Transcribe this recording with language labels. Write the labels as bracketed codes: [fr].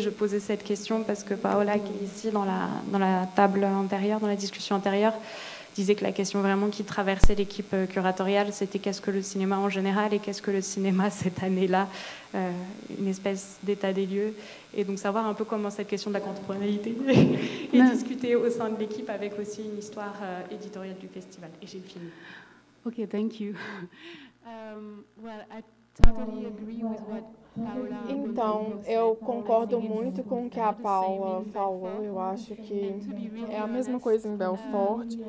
[fr] Je posais cette question parce que Paola, qui est ici dans la table antérieure, dans la discussion antérieure, disait que la question vraiment qui traversait l'équipe curatoriale, c'était qu'est-ce que le cinéma en général et qu'est-ce que le cinéma cette année-là, une espèce d'état des lieux. Et donc savoir un peu comment cette question de la contemporanéité est discutée au sein de l'équipe avec aussi une histoire éditoriale du festival. Et j'ai fini. [en] Ok, thank you. Well, I totally agree with what... [pt] Então, eu concordo muito com o que a Paula falou. Eu acho que é a mesma coisa em Belfort.